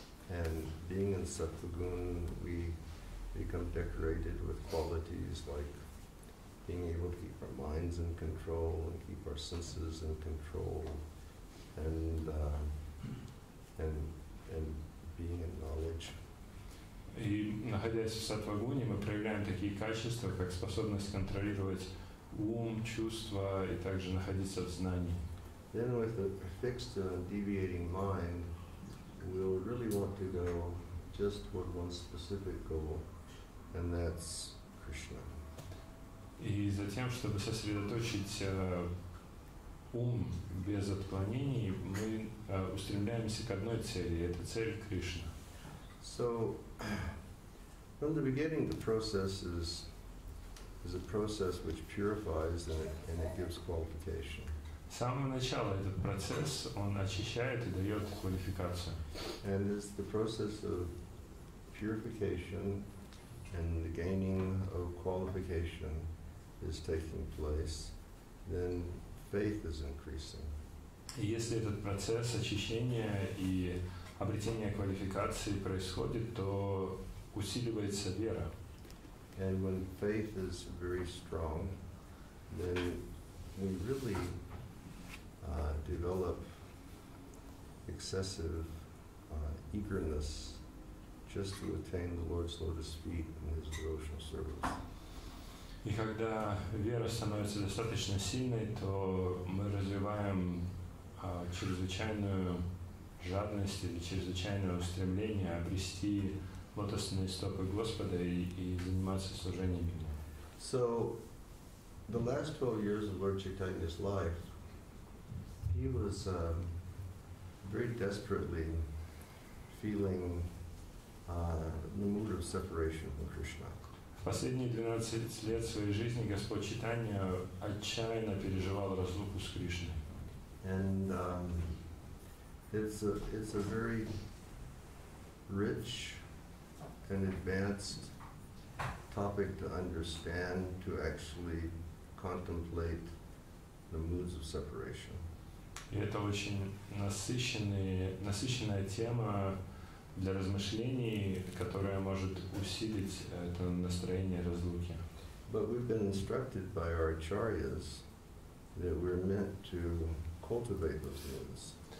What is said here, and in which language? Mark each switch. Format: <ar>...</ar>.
<en>And being in sattva-gun, we become decorated with qualities like being able to keep our minds in control and keep our senses in control, and being in knowledge.</en> <ru>И находясь в сатвагуне, мы проявляем такие качества, как способность контролировать ум, чувства и также находиться в знании.</ru> <en>Then with a fixed and deviating mind, we'll really want to go just toward one specific goal, and that's Krishna.</en> <ru>И затем, чтобы сосредоточить ум без отклонений, мы устремляемся к одной цели, и это цель Кришна.</ru> <en>So, from the beginning, the process is a process which purifies and it gives qualification.</en> <ru>С самого начала этот процесс, он очищает и дает квалификацию.</ru> <en>And it's the process of purification and the gaining of qualification is taking place, then faith is increasing.</en> <ru>И если этот процесс очищения и обретение квалификации происходит, то усиливается вера.</ru> <en>And when faith is very strong, then we really develop excessive eagerness just to attain the Lord's lotus feet in His devotional service.</en> <ru>И когда вера становится достаточно сильной, то мы развиваем чрезвычайную жадность или чрезвычайное устремление обрести лотосные стопы Господа и заниматься служением Ему.</ru> <en>So, the last 12 years of Lord Chaitanya's life, he was very desperately feeling the mood of separation from Krishna.</en> <ru>В последние 12 лет своей жизни Господь Чайтанья отчаянно переживал разлуку с Кришной.</ru> <en>And It's a very rich and advanced topic to understand, to actually contemplate the moods of separation.</en> <ru>И это очень насыщенная тема для размышлений, которая может усилить это настроение разлуки.</ru> <en>But we've been instructed by our acharyas that we're meant to cultivate those moods.</en>